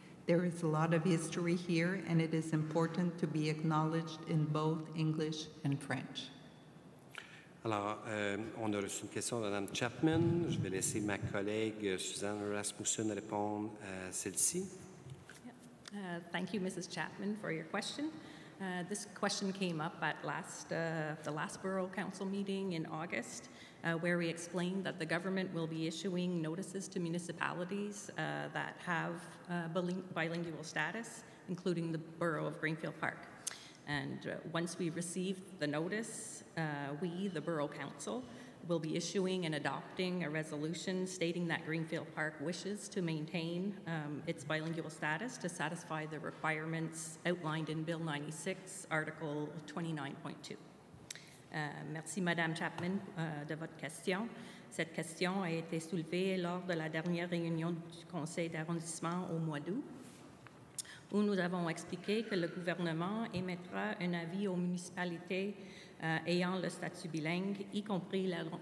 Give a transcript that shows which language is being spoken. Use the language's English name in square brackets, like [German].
[English] There is a lot of history here, and it is important to be acknowledged in both English and French. [French] Alors, on a reçu une question de Mme Chapman. Je vais laisser ma collègue Suzanne Rasmussen répondre à celle-ci. [English] Thank you, Mrs. Chapman, for your question. This question came up at the last Borough Council meeting in August, where we explained that the government will be issuing notices to municipalities that have bilingual status, including the Borough of Greenfield Park. And once we receive the notice, we, the Borough Council, will be issuing and adopting a resolution stating that Greenfield Park wishes to maintain its bilingual status to satisfy the requirements outlined in Bill 96, Article 29.2. [French] Merci, Madame Chapman, de votre question. Cette question a été soulevée lors de la dernière réunion du Conseil d'arrondissement au mois d'août, où nous avons expliqué que le gouvernement émettra un avis aux municipalités ayant le statut bilingue, y compris